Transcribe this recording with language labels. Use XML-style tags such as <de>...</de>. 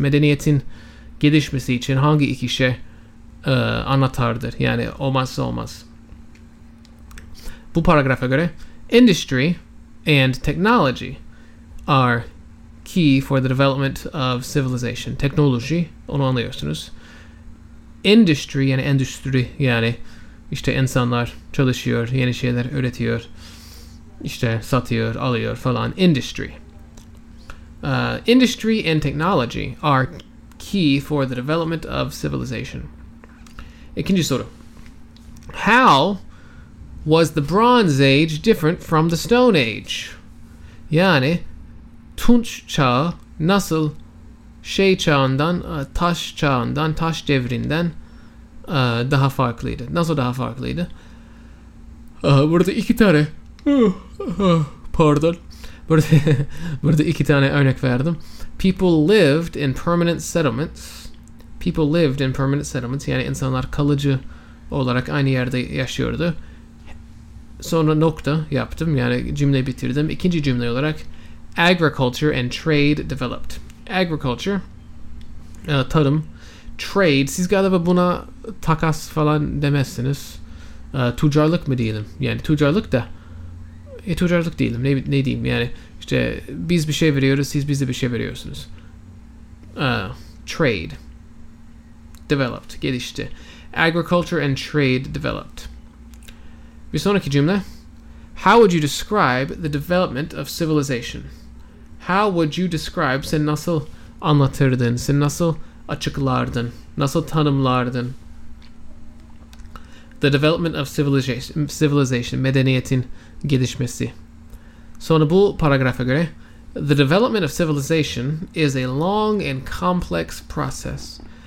<tr>Medeniyetin gelişmesi için hangi iki şey anahtardır? Yani olmazsa olmaz. Bu paragrafa göre</tr> <en>industry and technology are key for the development of civilization.</en> <tr>Teknoloji, onu anlıyorsunuz. Industry, yani endüstri, yani işte insanlar çalışıyor, yeni şeyler üretiyor, işte satıyor, alıyor falan.</tr> <en>Industry. Industry and technology are key for the development of civilization.</en> <tr>İkinci soru.</tr> <en>How was the Bronze Age different from the Stone Age?</en> <tr>Yani Tunç Çağı nasıl şey çağından, taş çağından, taş devrinden daha farklıydı? Nasıl daha farklıydı? Burada iki tane pardon. Burada iki tane örnek verdim.</tr> <en>People lived in permanent settlements. People lived in permanent settlements.</en> <tr>Yani insanlar kalıcı olarak aynı yerde yaşıyordu. Sonra nokta yaptım. Yani cümleyi bitirdim. İkinci cümle olarak</tr> <en>agriculture and trade developed.</en> <tr>Agriculture, tarım. Trade, siz galiba buna takas falan demezsiniz. Tüccarlık mı diyelim? Yani tüccarlık da. Tüccarlık diyelim. Ne diyeyim? Yani işte biz bir şey veriyoruz, siz bize bir şey veriyorsunuz. Trade. Developed, gelişti.</tr> <en>Agriculture and trade developed.</en> <tr>Bir sonraki cümle.</tr> <en>How would you describe the development of civilization? How would you describe,</en> <tr>sen nasıl anlatırdın, sen nasıl açıklardın, nasıl tanımlardın?</tr> <en>The development of civilization,</en> <tr>medeniyetin gelişmesi. Sonra bu paragrafa göre,</tr> <en>the development of civilization is a long and complex process.</en>